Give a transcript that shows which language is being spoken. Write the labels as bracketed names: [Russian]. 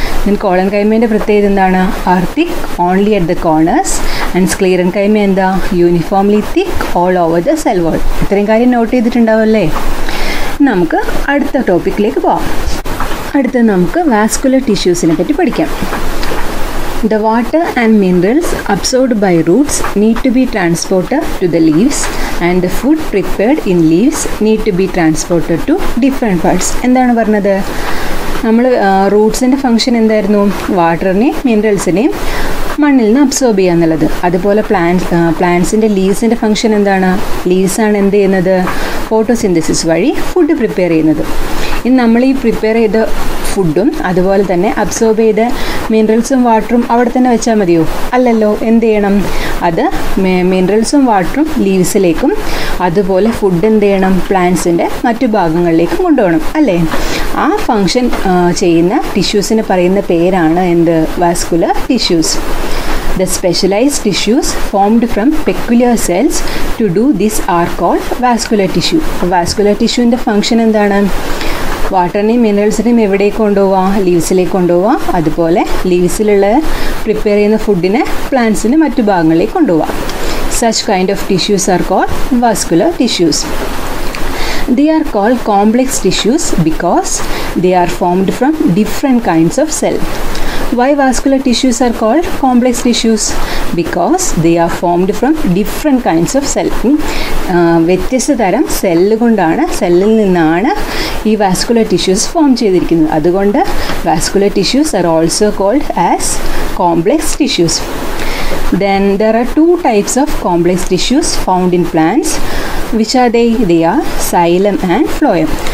[English] then കോളൻ [Malayalam] കൈമേൻ്റെ പ്രത്യേകത എന്താണ്? [English] Are thick only at the corners. And sclerenchyma എന്താ? Uniformly thick all over the cell wall. [Malayalam] ഇത്രയും കാര്യം നോട്ട് ചെയ്തിട്ടുണ്ടാവല്ലേ. നമുക്ക് അടുത്ത ടോപ്പിക്കിലേക്ക് പോവാം. അടുത്ത് നമുക്ക് വാസ്കുലർ ടിഷ്യൂസിനെ പറ്റി പഠിക്കാം. [English] The water and minerals absorbed by roots need to be transported to the leaves and the food prepared in leaves need to be transported to different parts. [Malayalam] എന്താണ് പറഞ്ഞത്? നമ്മൾ റൂട്ട്സിൻ്റെ ഫങ്ഷൻ എന്തായിരുന്നു? വാട്ടറിനെയും മിനറൽസിനെയും മണ്ണിൽ നിന്ന് അബ്സോർബ് ചെയ്യുക എന്നുള്ളത്. അതുപോലെ പ്ലാന്റ്സിൻ്റെ ലീവ്സിൻ്റെ ഫങ്ഷൻ എന്താണ്? ലീവ്സാണ് എന്ത് ചെയ്യുന്നത്? ഫോട്ടോസിന്തസിസ് വഴി ഫുഡ് പ്രിപ്പയർ ചെയ്യുന്നത്. ഇനി നമ്മൾ ഈ പ്രിപ്പയർ ചെയ്ത ഫുഡും അതുപോലെ തന്നെ അബ്സോർബ് ചെയ്ത മിനറൽസും വാട്ടറും അവിടെ തന്നെ വെച്ചാൽ മതിയോ? അല്ലല്ലോ. എന്ത് ചെയ്യണം? അത് മിനറൽസും വാട്ടറും ലീവ്സിലേക്കും അതുപോലെ ഫുഡ് എന്ത് ചെയ്യണം? പ്ലാന്റ്സിൻ്റെ മറ്റു ഭാഗങ്ങളിലേക്കും കൊണ്ടുപോകണം അല്ലേ. ആ ഫങ്ഷൻ ചെയ്യുന്ന ടിഷ്യൂസിന് പറയുന്ന പേരാണ് എന്ത്? [English] Vascular tissues. The specialized tissues formed from peculiar cells to do this are called vascular tissue. [Malayalam] Vascular ടിഷ്യൂവിൻ്റെ function എന്താണ്? വാട്ടറിനെയും മിനറൽസിനെയും എവിടേക്ക് കൊണ്ടുപോവുക? ലീവ്സിലേക്ക് കൊണ്ടുപോവുക. അതുപോലെ ലീവ്സിലുള്ള പ്രിപ്പയർ ചെയ്യുന്ന ഫുഡിനെ പ്ലാന്റ്സിന് മറ്റു ഭാഗങ്ങളിലേക്ക് കൊണ്ടുപോവുക. [English] Such kind of tissues are called vascular tissues. They are called complex tissues because they are formed from different kinds of cells. Why vascular tissues are called complex tissues? Because they are formed from different kinds of cells. [Malayalam] വ്യത്യസ്ത തരം cell കൊണ്ടാണ്, സെല്ലിൽ നിന്നാണ് ഈ vascular tissues form ചെയ്തിരിക്കുന്നത്. അതുകൊണ്ട് [English] Vascular tissues are also called as complex tissues. Then there are two types of complex tissues found in plants. Which are they? They are xylem and phloem.